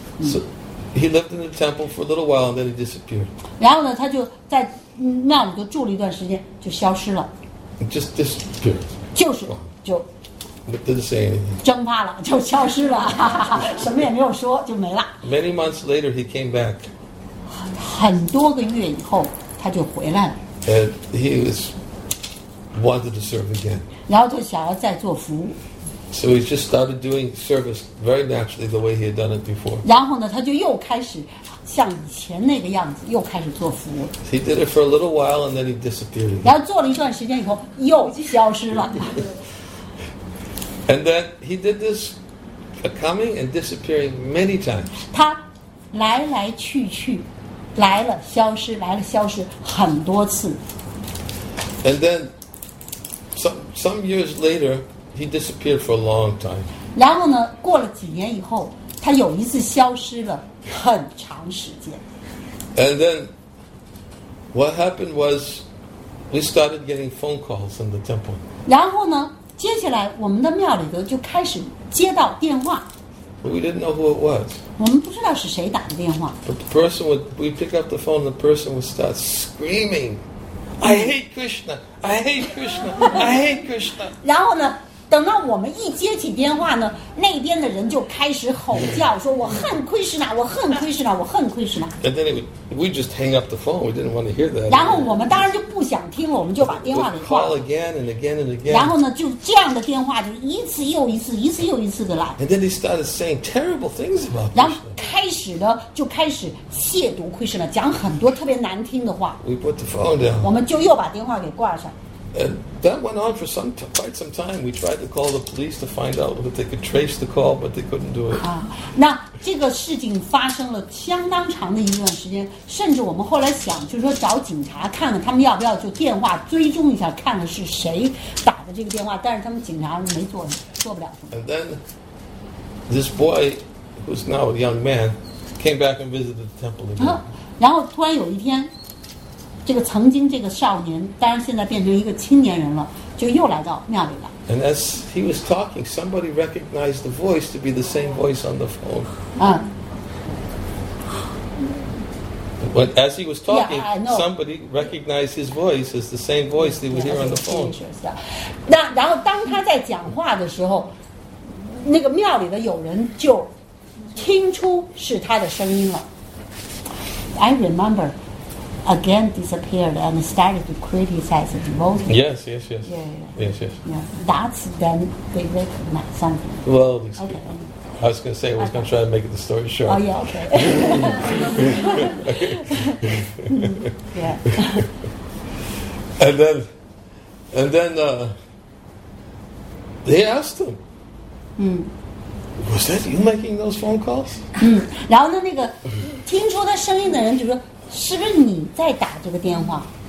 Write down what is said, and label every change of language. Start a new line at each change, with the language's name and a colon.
English: So he lived in the temple for a little while, and then he disappeared.
Chinese: 然后呢，他就在那里就住了一段时间，就消失了。
English: Just disappeared.
Chinese: 就是就。
English: But didn't say anything.
Chinese: 蒸发了，就消失了，什么也没有说，就没了。
English: Many months later, he came back.
Chinese: 很多个月以后，他就回来了。
English: And he was wanted to serve again.
Chinese: 然后就想要再做服务。
English: So he just started doing service very naturally the way he had done it before.
Chinese: 然后呢，他就又开始像以前那个样子，又开始做服务。
English: He did it for a little while, and then he disappeared.
Chinese: 然后做了一段时间以后，又消失了。
English: And then he did this, coming and disappearing many times.
Chinese: 他来来去去，来了消失，来了消失很多次。
English: And then some years later, he disappeared for a long time.
Chinese: 然后呢，过了几年以后，他有一次消失了很长时间。
English: And then what happened was, we started getting phone calls from the temple.
Chinese: 然后呢？接下来，我们的庙里头就开始接到电话。
English: We didn't know who it was.
Chinese: 我们不知道是谁打的电话。
English: But the person would, we pick up the phone, the person would start screaming, "I hate Krishna! I hate Krishna! I hate Krishna!"
Chinese: 然后呢，等到我们一接起电话呢，那边的人就开始吼叫，说我恨 Krishna, 我恨 Krishna, 我恨 Krishna.
English: And then we just hang up the phone. We didn't want to hear that.
Chinese: 然后我们当然就不想听了，我们就把电话给挂了。
English: Call again and again and again.
Chinese: 然后呢，就这样的电话就一次又一次，一次又一次的来。
English: And then they started saying terrible things about Krishna.
Chinese: 然后开始呢，就开始亵渎 Krishna, 讲很多特别难听的话。
English: We put the phone down.
Chinese: 我们就又把电话给挂上。
English: And that went on for quite some time. We tried to call the police to find out if they could trace the call, but they couldn't do it.
Chinese: 啊，那这个事情发生了相当长的一段时间，甚至我们后来想，就是说找警察看看他们要不要就电话追踪一下，看看是谁打的这个电话。但是他们警察没做，做不了什么。
English: And then this boy, who's now a young man, came back and visited the temple again.
Chinese: 然后突然有一天。这个曾经这个少年，当然现在变成一个青年人了，就又来到庙里了。
English: And as he was talking, somebody recognized the voice to be the same voice on the phone. But as he was talking, yeah, somebody recognized his voice as the same voice they would hear on the phone.
Chinese: 然后当他在讲话的时候，那个庙里的有人就听出是他的声音了。
English: I remember. Again disappeared and started to criticize the devotee. Yes, yes, yes. Yeah, yeah. Yes, yes. Yeah. That's then they recognize something. Well, okay. I was going to say, I was going to try to make the story short. Oh, yeah, okay. Yeah. And then they asked him, was that you making those phone calls? 然后呢，那个听说他声音的人就说是不是你在打这个电话